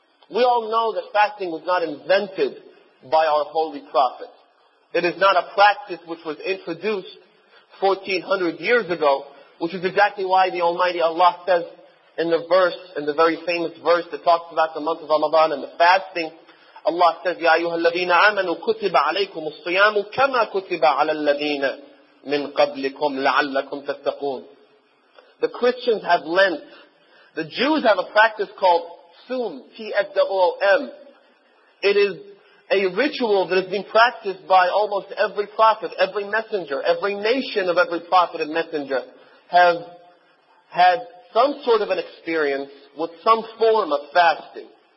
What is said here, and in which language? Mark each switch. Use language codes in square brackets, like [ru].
[en] We all know that fasting was not invented by our Holy Prophet. It is not a practice which was introduced 1400 years ago, which is exactly why the Almighty Allah says in the verse, in the very famous verse that talks about the month of Ramadan and the fasting, Allah says, [ar] يَا أَيُّهَا الَّذِينَ آمَنُوا كُتِبَ عَلَيْكُمُ الصِّيَامُ كَمَا كُتِبَ عَلَى الَّذِينَ مِنْ قَبْلِكُمْ لَعَلَّكُمْ تَتَّقُونَ. [en] The Christians have Lent. The Jews have a practice called Tsum, T-S-O-O-M. It is a ritual that has been practiced by almost every prophet, every messenger, every nation of every prophet and messenger have had some sort of an experience with some form of fasting.